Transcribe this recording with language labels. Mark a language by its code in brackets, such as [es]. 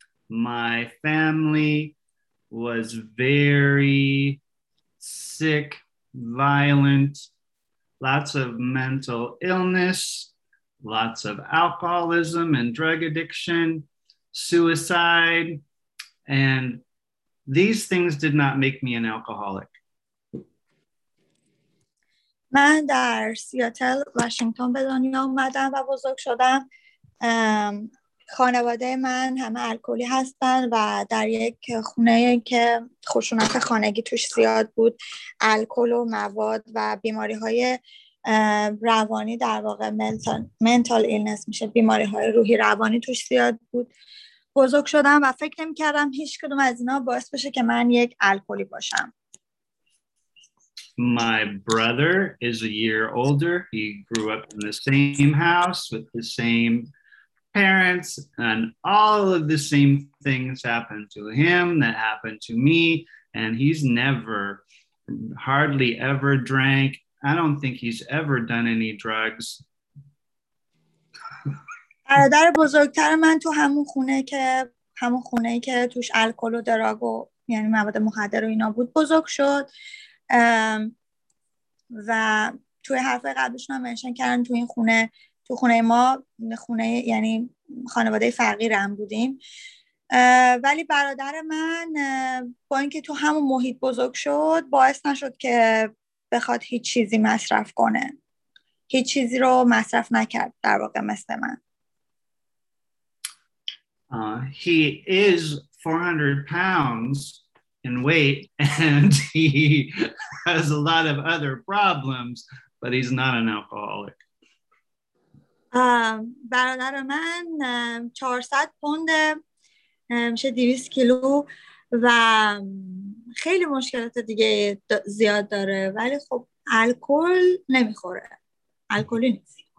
[en] My family was very sick, violent, lots of mental illness, lots of alcoholism and drug addiction, suicide, and these things did not make me an alcoholic. [fa] من در سیاتل واشنگتن به دنیا اومدم و بزرگ شدم. خانواده من همه الکلی هستن و در یک خونه که خشونت خانگی توش زیاد بود، الکل و مواد و بیماری های روانی، در واقع منتال ایلنس میشه، بیماری های روحی روانی توش زیاد بود، بزرگ شدم و فکر نمی کردم هیچ کدوم از اینا باعث بشه که من یک الکلی باشم. [en] My brother is a year older. He grew up in the same house with the same parents, and all of the same things happened to him that happened to me, and he's never, hardly ever drank. I don't think he's ever done any drugs. [fa] برادر بزرگتر من تو همون خونه که توش الکل و دراگ و یعنی مواد مخدر و اینا بود بزرگ شد. و توی حرف قبلشون هم منشن کردن تو خونه ما یعنی خانواده فقیرم بودیم. ولی برادر من با اینکه تو همون محیط بزرگ شد، باعث نشد که بخواد هیچ چیزی مصرف کنه، هیچ چیزی رو مصرف نکرد در واقع مثل من. [en] He is 400 pounds in weight and he has a lot of other problems, but he's not an alcoholic. [fa] برادر من 400 پوند میشه 200 کیلو و خیلی مشکلات دیگه زیاد داره، ولی خب الکل نمیخوره، الکلی نیست.